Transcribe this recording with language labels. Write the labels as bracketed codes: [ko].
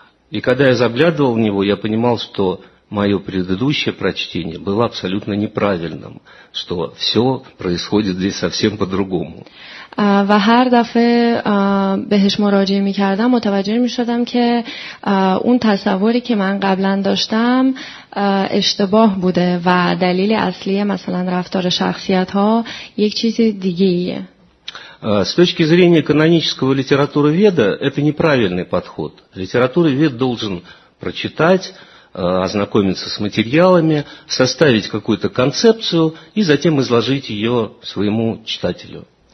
[ru] И когда я заглядывал в него, я понимал, что моё предыдущее прочтение было абсолютно неправильным, что всё происходит здесь совсем по-другому. [fa] و هر دفعه بهش مراجعه می کردم متوجه می شدم که اون تصوری که من قبلا داشتم اشتباه بوده و دلیل اصلی مثلا رفتار شخصیت ها یک چیز دیگه ایه. [ru] С точки зрения канонического литературоведа это неправильный подход. Литературовед должен прочитать, ознакомиться с материалами, составить какую-то концепцию и затем изложить ее своему читателю.